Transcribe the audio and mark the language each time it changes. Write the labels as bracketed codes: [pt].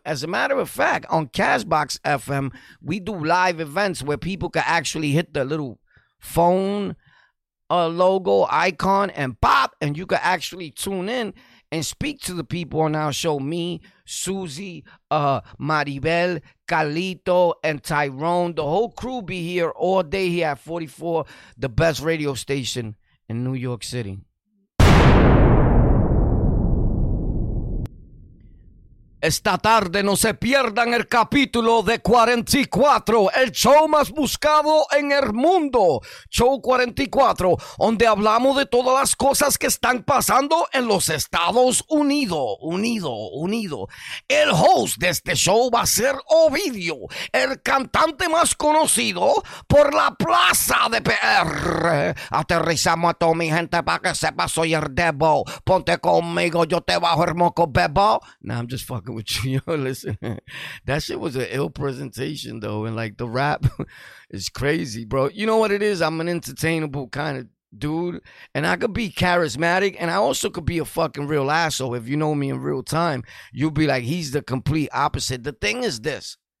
[en] As a matter of fact, on CastBox FM, we do live events where people can actually hit the little phone logo icon and pop, and you can actually tune in and speak to the people on our show. Me, Susie, Maribel, Calito, and Tyrone. The whole crew be here all day here at 44, the best radio station in New York City. [es] Esta tarde no se pierdan el capítulo de 44, el show más buscado en el mundo. Show 44, donde hablamos de todas las cosas que están pasando en los Estados Unidos. Unido. El host de este show va a ser Ovidio, el cantante más conocido por la plaza de PR. Aterrizamos a toda mi gente para que sepa soy el Debo. Ponte conmigo, yo te bajo el moco, bebo. [en] Nah, I'm just fucking with you. Yo, listen, that shit was an ill presentation though, and like the rap is crazy, bro. You know what it is, I'm an entertainable kind of dude. And I could be charismatic, and I also could be a fucking real asshole. If you know me in real time, you'd be like, he's the complete opposite. The thing is this.